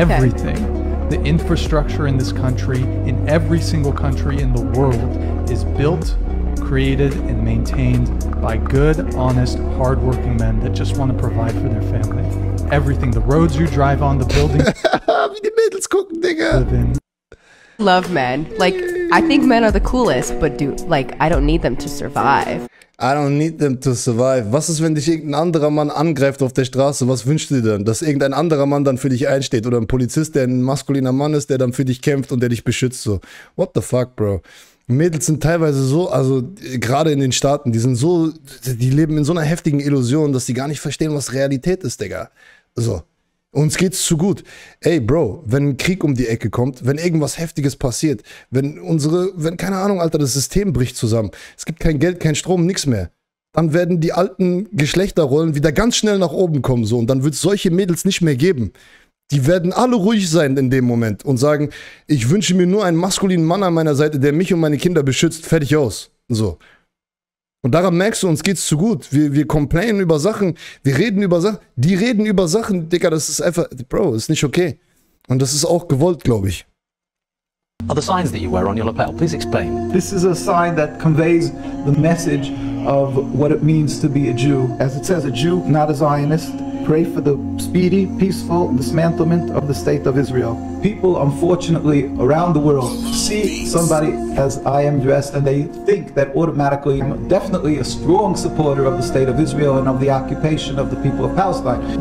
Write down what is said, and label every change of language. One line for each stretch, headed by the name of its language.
English: Everything. The infrastructure in this country, in every single country in the world, is built, created, and maintained by good, honest, hardworking men that just want to provide for their family. Everything. The roads you drive on, the buildings.
German: Wie die Mädels gucken, Digga.
English: Love men. Like, I think men are the coolest, but do, like, I don't need them to survive. I don't need them to survive.
German: Was ist, wenn dich irgendein anderer Mann angreift auf der Straße? Was wünschst du dir denn? Dass irgendein anderer Mann dann für dich einsteht? Oder ein Polizist, der ein maskuliner Mann ist, der dann für dich kämpft und der dich beschützt? So.
English: What the fuck, bro?
German: Mädels sind teilweise so, also gerade in den Staaten, die sind so, die leben in so einer heftigen Illusion, dass die gar nicht verstehen, was Realität ist, Digga. So. Uns geht's zu gut. Ey, Bro, wenn ein Krieg um die Ecke kommt, wenn irgendwas Heftiges passiert, wenn unsere, wenn, keine Ahnung, Alter, das System bricht zusammen, es gibt kein Geld, kein Strom, nichts mehr, dann werden die alten Geschlechterrollen wieder ganz schnell nach oben kommen, so, und dann wird es solche Mädels nicht mehr geben. Die werden alle ruhig sein in dem Moment und sagen, ich wünsche mir nur einen maskulinen Mann an meiner Seite, der mich und meine Kinder beschützt, fertig aus, so. Und daran merkst du, uns geht's zu gut. Wir complainen über Sachen, wir reden über Sachen, die reden über Sachen, Digga, das ist einfach, Bro, ist nicht okay. Und das ist auch gewollt, glaube ich.
English: Are the signs that you wear on your lapel, please explain. This is a sign that conveys the message of what it means to be a Jew. As it says, a Jew, not a Zionist, pray for the speedy, peaceful dismantlement of the state of Israel. People, unfortunately, around the world see somebody as I am dressed and they think that automatically I'm definitely a strong supporter of the state of Israel and of the occupation of the people of Palestine.